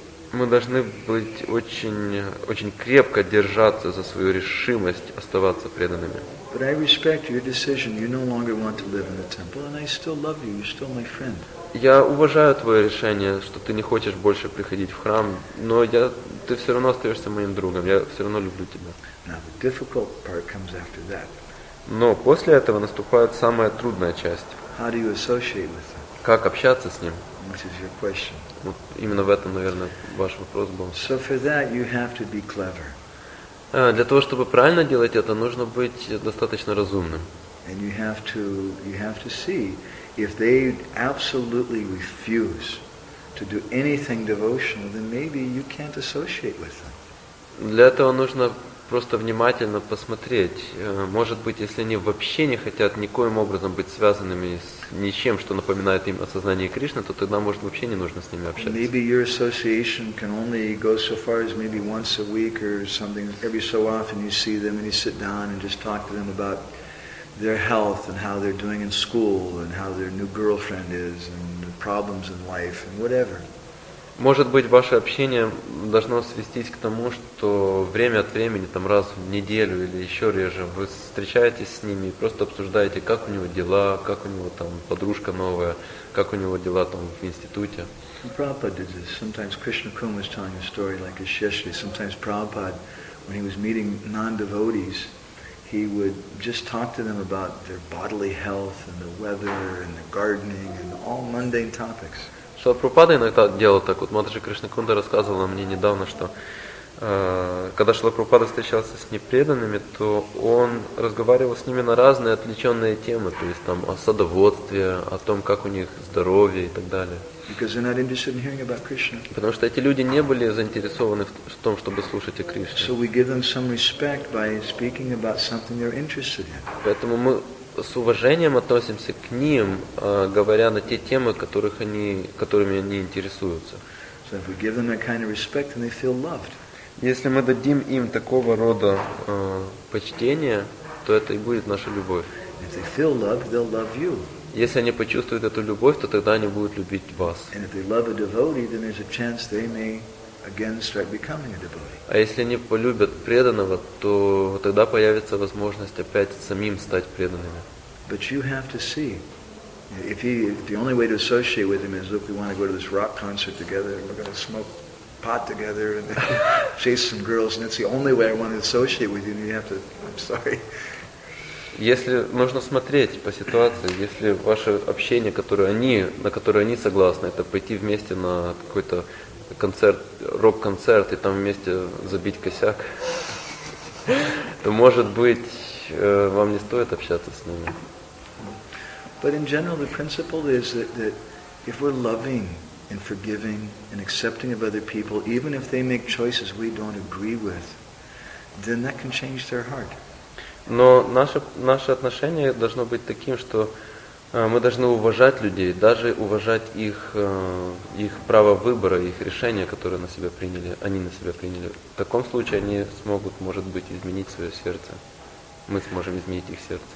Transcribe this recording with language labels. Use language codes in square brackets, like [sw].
[ru] Мы должны быть очень, очень крепко держаться за свою решимость оставаться преданными. [en] But I respect your decision. You no longer want to live in the temple, and I still love you. You're still my friend. [ru] Я уважаю твое решение, что ты не хочешь больше приходить в храм, но ты все равно остаешься моим другом. Я все равно люблю тебя. [en] Now the difficult part comes after that. [ru] Но после этого наступает самая трудная часть. [en] How do you associate with him? [ru] Как общаться с ним? [en] Which is your question. [ru] Вот именно в этом, наверное, ваш вопрос был. [en] So for that you have to be clever. [ru] Для того, чтобы правильно делать это, нужно быть достаточно разумным. [en] And you have to see if they absolutely refuse to do anything devotional, then maybe you can't associate with them. [ru] Для этого нужно просто внимательно посмотреть. Может быть, если они вообще не хотят никоим образом быть связанными с ничем, что напоминает им о сознании Кришны, то тогда, может, вообще не нужно с ними общаться. [en] Maybe your association can only go so far as maybe once a week or something. Every so often you see them and you sit down and just talk to them about their health and how they're doing in school and how their new girlfriend is and the problems in life and whatever. [ru] Может быть, ваше общение должно свестись к тому, что время от времени, там раз в неделю или еще реже, вы встречаетесь с ними и просто обсуждаете, как у него дела, как у него там подружка новая, как у него дела там в институте. [en] Prabhupada did this. Sometimes Krishna Kumar was telling a story like a Shishri. Sometimes Prabhupada, when he was meeting non-devotees, he would just talk to them about their bodily health and the weather and the gardening and all mundane topics. [ru] Шрила Прабхупада иногда делал так. Вот Матаджи Кришна Кунда рассказывала мне недавно, что когда Шрила Прабхупада встречался с непреданными, то он разговаривал с ними на разные отвлеченные темы, то есть там о садоводстве, о том, как у них здоровье и так далее. [en] Because they're not interested in hearing about Krishna. [ru] Потому что эти люди не были заинтересованы в том, чтобы слушать о Кришне. [en] So we give them some respect by speaking about something they're interested in. [ru] Поэтому мы с уважением относимся к ним, говоря на те темы, которыми они интересуются. [en] So if we give them that kind of respect, then they feel loved. [ru] Если мы дадим им такого рода почтение, то это и будет наша любовь. [en] If they feel loved, they'll love you. [ru] Если они почувствуют эту любовь, то тогда они будут любить вас. [en] And if they love a devotee, then there's a chance they may again start becoming a devotee. [ru] А если они полюбят преданного, то тогда появится возможность опять самим стать преданными. [en] But you have to see. If the only way to associate with him is, look, we want to go to this rock concert together, and we're going to smoke pot together and chase some girls, and that's the only way I want to associate with you, then you have to, I'm sorry. [ru] Если нужно смотреть по ситуации, если ваше общение, на которое они согласны, это пойти вместе на какой-то концерт, рок-концерт, и там вместе забить косяк, то, может быть, вам не стоит общаться с ними. [en] But in general, the principle is that if we're loving and forgiving and accepting of other people, even if they make choices we don't agree with, then that can change their heart. [ru] Но наше отношение должно быть таким, что мы должны уважать людей, даже уважать их право выбора, их решения, которые они на себя приняли. В таком случае они смогут, может быть, изменить свое сердце. Мы сможем изменить их сердце.